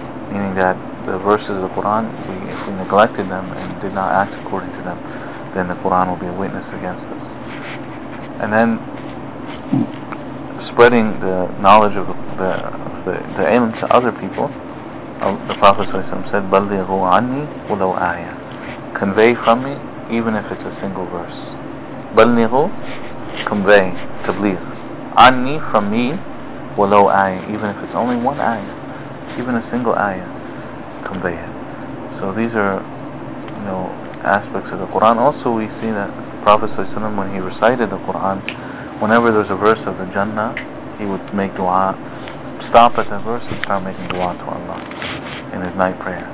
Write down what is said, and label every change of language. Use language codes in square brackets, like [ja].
[en] Meaning that the verses of the Quran, if we neglected them and did not act according to them, then the Quran will be a witness against us. And then spreading the knowledge of the ilm to other people, the Prophet ﷺ said, [ar] بَلِّغُوا عَنِّي وَلَوْ آيَةً. [en] Convey from me, even if it's a single verse. [ar] بَلِّغُوا, [en] convey, [ar] تَبْلِغُ. عَنِّي, [en] from me, [ar] وَلَوْ آيَةً, [en] even if it's only one ayah, even a single ayah, convey it. So these are, you know, aspects of the Quran. Also we see that the Prophet ﷺ, when he recited the Quran, whenever there's a verse of the Jannah, he would make dua, stop at that verse and start making dua to Allah in his night prayer.